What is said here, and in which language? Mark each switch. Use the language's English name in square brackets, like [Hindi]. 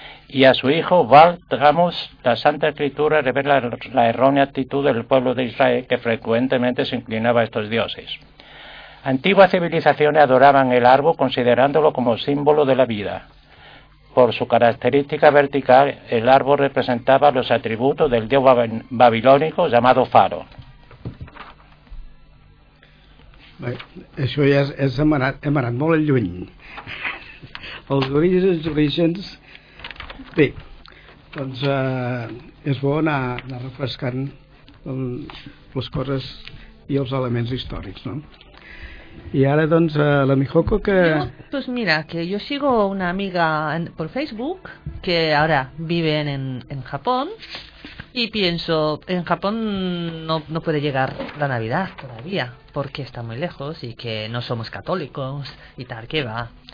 [Spanish] Y a su hijo, Baal Tammuz, la Santa Escritura revela la errónea actitud del pueblo de Israel, que frecuentemente se inclinaba a estos dioses. Antiguas civilizaciones adoraban el árbol considerándolo como símbolo de la vida. Por su característica vertical, el árbol representaba los atributos del dios babilónico llamado Faro. [Catalan] Bé, això ja hem anat molt lluny. Els orígens, els orígens... Bé, doncs és bo anar refrescant les coses i els elements històrics, no? I ara, doncs, la Mihoko que... [Spanish] Jo, pues mira, que jo sigo una amiga por Facebook que ara vive en Japó y pienso, en Japón no puede llegar la Navidad todavía, porque está muy lejos y que no somos católicos y tal, que va.